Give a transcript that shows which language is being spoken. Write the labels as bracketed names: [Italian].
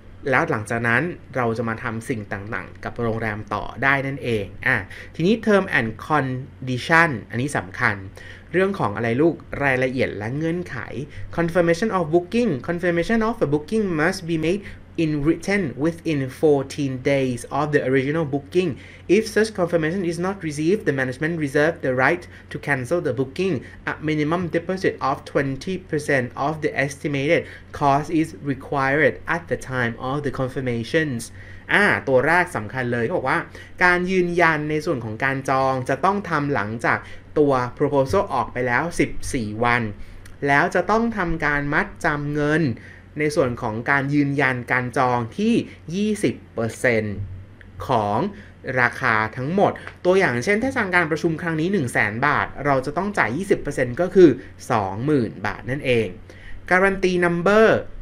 [Thai] แล้วหลังจากนั้นเราจะมาทำสิ่งต่างๆกับโรงแรมต่อได้นั่นเองทีนี้ [English] term and condition [Thai] อันนี้สำคัญเรื่องของอะไรลูกรายละเอียดและเงื่อนไข [English] confirmation of booking confirmation of a booking must be madein written within 14 days of the original booking. If such confirmation is not received, the management reserves the right to cancel the booking. A minimum deposit of 20% of the estimated cost is required at the time of the confirmations. [Thai] ตัวแรกสำคัญเลยเขาบอกว่าการยืนยันในส่วนของการจองจะต้องทำหลังจากตัว proposal ออกไปแล้ว14วันแล้วจะต้องทำการมัดจำเงินในส่วนของการยืนยันการจองที่ 20% ของราคาทั้งหมดตัวอย่างเช่นถ้าจองการประชุมครั้งนี้ 100,000 บาทเราจะต้องจ่าย 20% ก็คือ 20,000 บาทนั่นเองการันตีนัมเบอร์